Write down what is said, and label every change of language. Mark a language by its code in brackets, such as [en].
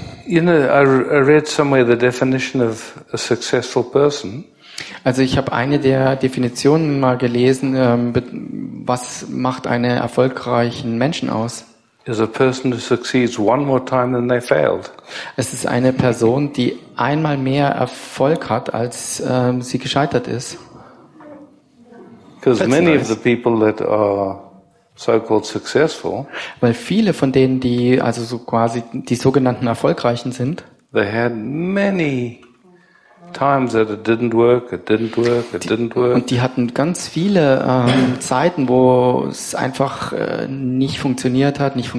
[en] You know, I read somewhere the definition of a successful person. [de] Also ich habe eine der Definitionen mal gelesen, was macht einen erfolgreichen Menschen aus? [en] Is a person who succeeds one more time than they failed. [de] Es ist eine Person, die einmal mehr Erfolg hat, als sie gescheitert ist. [en] Because many of the people that are so-called successful, [de] weil viele von denen, die also so quasi die sogenannten Erfolgreichen sind, [en] they had many times that it didn't work, it didn't work, it didn't work. [de] Und die hatten ganz viele Zeiten, wo es einfach nicht funktioniert hat.